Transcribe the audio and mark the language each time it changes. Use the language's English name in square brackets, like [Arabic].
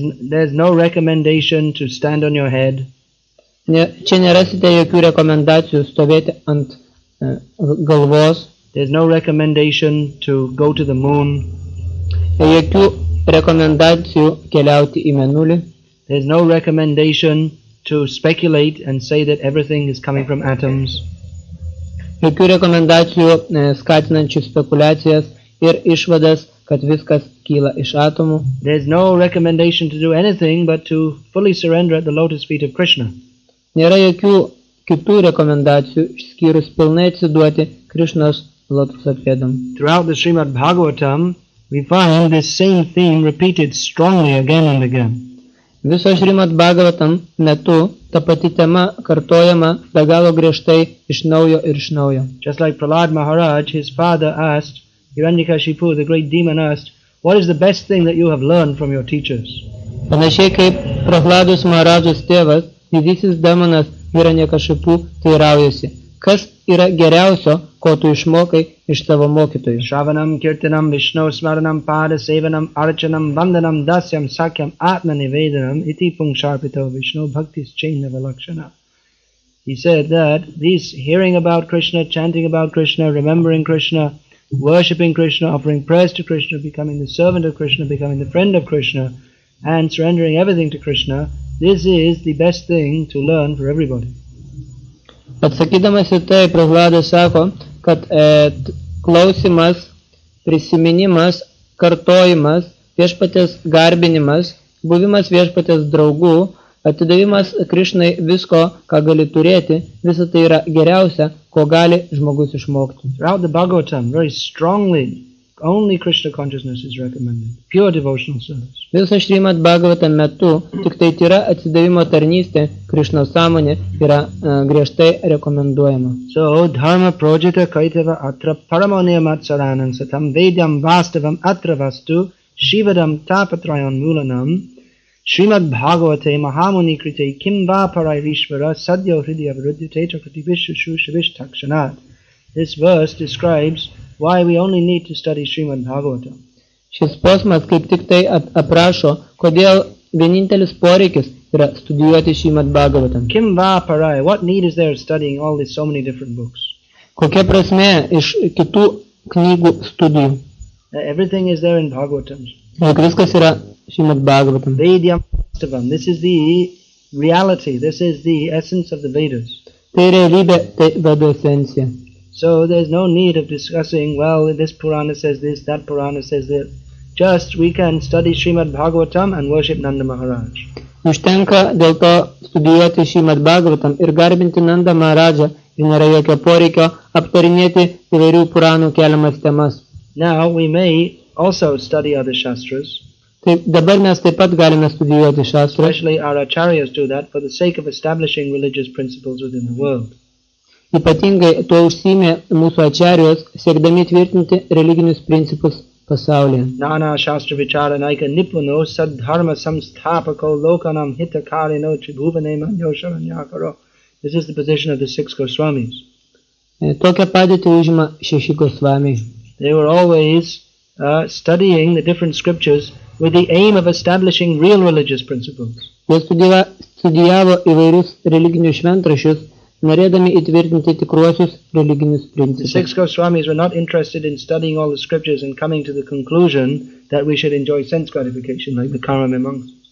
[English] There's no recommendation to stand on your head. [Lithuanian] Čia nerasite jokių rekomendacijų stovėti ant galvos. [English] There's no recommendation to go to the moon. [Lithuanian] Jokių rekomendacijų keliauti į mėnulį. [English] There's no recommendation to speculate and say that everything is coming from atoms. [Lithuanian] Jokių rekomendacijų skatinančių spekulacijas ir išvadas, kad viskas kyla iš atomų. [English] There's no recommendation to do anything but to fully surrender at the lotus feet of Krishna. [Lithuanian] Nėra jokių kitų rekomendacijų, išskyrus pilnai atsiduoti Krishnos lotuso pėdom. [English] Throughout the Srimad Bhagavatam, we find this same theme repeated strongly again and again. [Lithuanian] Viso Srimad Bhagavatam metu ta pati tema kartojama be galo griežtai iš naujo ir iš naujo. [English] Just like Prahlad Maharaj, his father asked, Hiranyakashipu, the great demon asked, what is the best thing that you have learned from your teachers? [Lithuanian] Panašiai kaip Prahladus Maharajas tėvas, didysis demonas Hiranyakashipu teiraujasi, kas yra geriausio, ko tu išmokai iš savo mokytojų? [Sanskrit] Shravanam, kirtinam, Vishnu smaranam, pada sevanam, archanam, vandanam, dasyam, sakyam, atmanivedanam, iti pungsharpito Vishnu bhaktis chainavalakshana. [English] He said that these hearing about Krishna, chanting about Krishna, remembering Krishna, worshipping Krishna, offering prayers to Krishna, becoming the servant of Krishna, becoming the friend of Krishna, and surrendering everything to Krishna, this is the best thing to learn for everybody. [Lithuanian] Atsakydamas į tai, Prahladas sako, kad klausimas, prisiminimas, kartojimas, viešpatės garbinimas, buvimas viešpatės draugų, atidavimas Krišnai visko, ką gali turėti, visa tai yra geriausia, ko gali žmogus išmokti. [English] Throughout the Bhagavatam, very strongly, only Krishna consciousness is recommended. Pure devotional service. [Lithuanian] Visą Srimad Bhagavatam metu, tik tai yra atsidavimo tarnystė, Krishna sąmonė yra griežtai rekomenduojama. [Sanskrit] So, dharma projita kaitava atra paramoniam atsaranam satam vedyam vastavam atravastu shivadam tapatrayon mulanam Srimad Bhagavate Mahamuni Krite Kimba Parai Vishvara Sadhya Hridya Vrudhyate Chakrati Vishushu Shavishtakshanat. [English] This verse describes why we only need to study Srimad Bhagavatam. [Lithuanian] Šis posmas kaip tik tai aprašo, kodėl vienintelis poreikis yra studijuoti Srimad Bhagavatam. [Sanskrit] Kim va parai, [English] what need is there studying all these so many different books? [Lithuanian] Kokia prasmė iš kitų knygų studijų? [English] Everything is there in Bhagavatam. [Lithuanian] Viskas yra Srimad Bhagavatam. [Sanskrit] Vedyam Astavam, [English] this is the reality, this is the essence of the Vedas. [Lithuanian] Tai realybė, tai Vedų esencija. [English] So there's no need of discussing, well, this Purana says this, that Purana says that. Just we can study Srimad Bhagavatam and worship Nanda Maharaj. [Lithuanian] Užtenka dėl to studijuoti Srimad Bhagavatam ir garbinti Nanda Maharaja, ir nėra jokio poreikio aptarinėti įvairių Puranų keliamas temas. [English] Now we may also study other Shastras. [Lithuanian] Taip, dabar mes taip pat galime studijuoti Shastras. [English] Especially our Acharyas do that for the sake of establishing religious principles within the world. [Lithuanian] Ypatingai tuo užsiėmė mūsų ačiarijos, siekdami tvirtinti religinius principus pasaulyje. [Sanskrit] Nana shastra vichara naika nipuno sadharma samsthapako lokanam hitakari no chibhuvane manyo sharanyakaro. [English] This is the position of the six Goswamis. [Lithuanian] Tokią padėtį užima šeši Goswami. [English] They were always studying the different scriptures with the aim of establishing real religious principles. [Lithuanian] Jie studijavo įvairius religinius šventrašius, norėdami įtvirtinti tikruosius religinius principus. [English] The six Goswamis were not interested in studying all the scriptures and coming to the conclusion that we should enjoy sense gratification like the Karami monks.